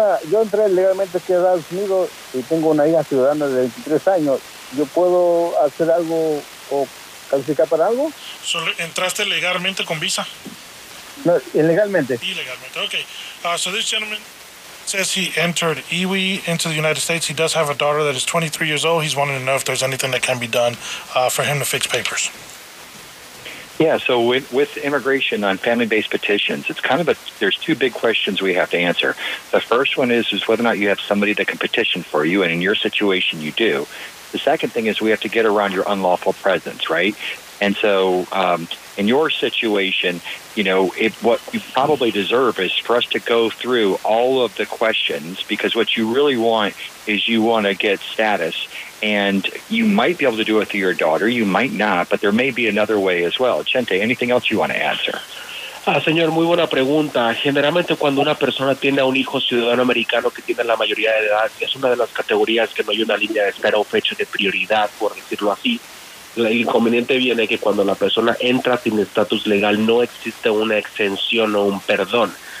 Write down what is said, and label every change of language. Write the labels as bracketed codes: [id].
[es] Yo entré legalmente aquí a Estados Unidos y tengo una hija ciudadana de 23 años. ¿Yo puedo hacer algo o calificar para algo? ¿Entraste legalmente con visa? No, ilegalmente. Ilegalmente, okay. [en] So this gentleman says he entered EWI into the United States. He does have a daughter that is 23 years old. He's wanting to know if there's anything that can be done for him to fix papers. Yeah, so with immigration on family-based petitions, it's kind of there's two big questions we have to answer. The first one is whether or not you have somebody that can petition for you, and in your situation, you do. The second thing is we have to get around your unlawful presence, right? And so in your situation, you know, what you probably deserve is for us to go through all of the questions, because what you really want is you want to get status. And you might be able to do it through your daughter. You might not, but there may be another way as well. Chente, anything else you want to answer? [es] Señor, muy buena pregunta. Generalmente cuando una persona tiene a un hijo ciudadano americano que tiene la mayoría de edad, es una de las categorías que no hay una línea de espera o fecha de prioridad, por decirlo así. El inconveniente viene que cuando la persona entra sin estatus legal no existe una exención o un perdón.